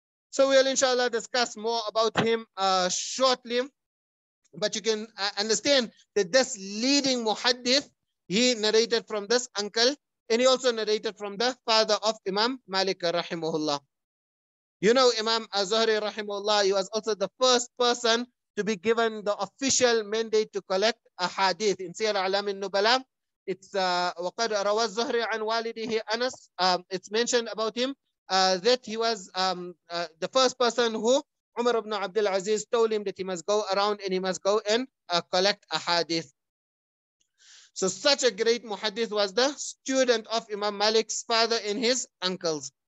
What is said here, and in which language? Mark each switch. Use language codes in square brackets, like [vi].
[en] So we'll inshallah discuss more about him shortly, but you can understand that this leading muhaddith, he narrated from this uncle, and he also narrated from the father of Imam Malik rahimahullah. You know, Imam Zuhri rahimahullah, he was also the first person to be given the official mandate to collect a hadith in Sir Alam al-Nubala. It's [ar] وَقَدْ رَوَى الزُّهْرِ عَنْ وَالِدِهِ أَنَسْ. [en] It's mentioned about him. That he was the first person who Umar ibn Abdul Aziz told him that he must go around and he must go and collect a hadith. So such a great muhaddith was the student of Imam Malik's father and his uncles.